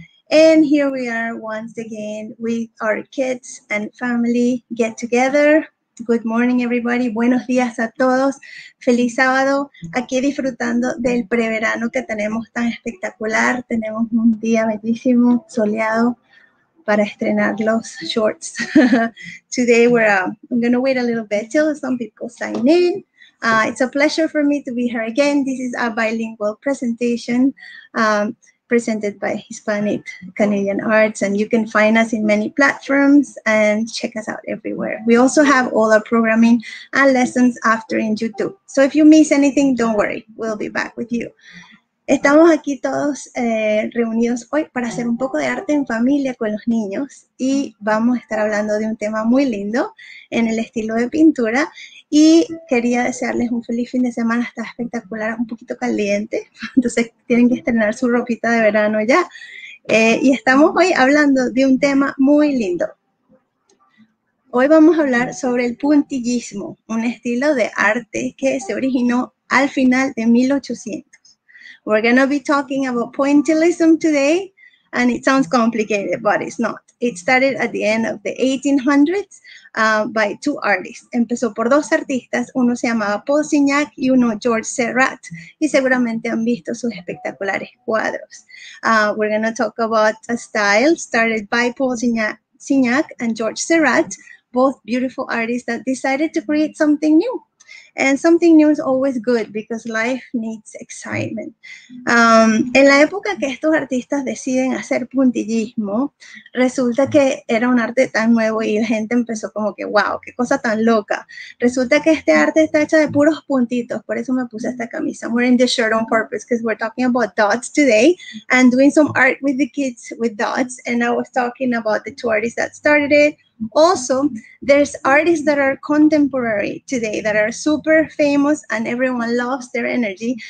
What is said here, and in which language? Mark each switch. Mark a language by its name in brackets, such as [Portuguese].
[English] And here we are once again with our kids and family get together. Good morning, everybody. [Spanish] Buenos días a todos. Feliz sábado. Aquí disfrutando del preverano que tenemos tan espectacular. Tenemos un día bellísimo, soleado, para estrenar los shorts. [English] Today I'm going to wait a little bit till some people sign in. It's a pleasure for me to be here again. This is a bilingual presentation presented by Hispanic Canadian Arts, and you can find us in many platforms and check us out everywhere. We also have all our programming and lessons after in YouTube. So if you miss anything, don't worry, we'll be back with you. [Spanish] Estamos aquí todos reunidos hoy para hacer un poco de arte en familia con los niños y vamos a estar hablando de un tema muy lindo en el estilo de pintura. Y quería desearles un feliz fin de semana, está espectacular, un poquito caliente, entonces tienen que estrenar su ropita de verano ya. Y estamos hoy hablando de un tema muy lindo. Hoy vamos a hablar sobre el puntillismo, un estilo de arte que se originó al final de 1800. [English] We're going to be talking about pointillism today, and it sounds complicated, but it's not. It started at the end of the 1800s by two artists. [Spanish] Empezó por dos artistas, uno se llamaba Paul Signac y uno George Seurat, y seguramente han visto sus espectaculares cuadros. [English] We're going to talk about a style started by Paul Signac and George Seurat, both beautiful artists that decided to create something new. And something new is always good because life needs excitement. [Spanish] En la época que estos artistas deciden hacer puntillismo, resulta que era un arte tan nuevo y la gente empezó como que, wow, qué cosa tan loca. Resulta que este arte está hecho de puros puntitos, por eso me puse esta camisa. [English] I'm wearing this shirt on purpose because we're talking about dots today and doing some art with the kids with dots. And I was talking about the two artists that started it. Also, there's artists that are contemporary today that are super famous and everyone loves their energy.